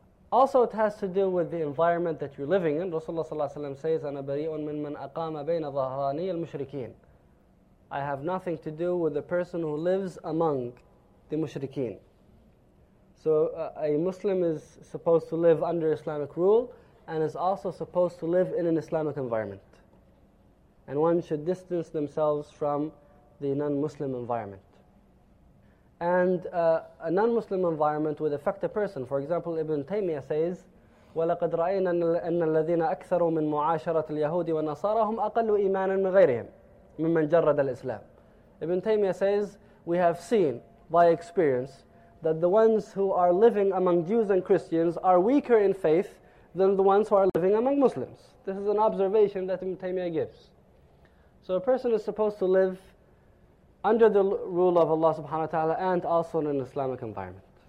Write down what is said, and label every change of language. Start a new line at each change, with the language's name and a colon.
English: Also, it has to do with the environment that you're living in.
Arabic: Rasulullah sallallahu alayhi wa sallam says, أَنَا بَرِيءٌ مِّنْ أَقَامَ بَيْنَ ظَهْرَانِيَ الْمُشْرِكِينَ.
English: I have nothing to do with the person who lives among the mushrikeen. So a Muslim is supposed to live under Islamic rule and is also supposed to live in an Islamic environment. And one should distance themselves from the non-Muslim environment. And a non-Muslim environment would affect a person. For example, Ibn Taymiyyah says,
Arabic: وَلَقَدْ رَأَيْنَا أَنَّ الَّذِينَ أَكْثَرُوا مِنْ مُعَاشَرَةِ الْيَهُودِ وَالنَّصَارَى هُمْ أَقَلُّ إِيمَانًا مِنْ غَيْرِهِمْ مِمَّنْ جَرَّدَ الْإِسْلَامِ.
English: Ibn Taymiyyah says, we have seen by experience that the ones who are living among Jews and Christians are weaker in faith than the ones who are living among Muslims. This is an observation that Ibn Taymiyyah gives. So a person is supposed to live under the rule of Allah subhanahu wa ta'ala and also in an Islamic environment.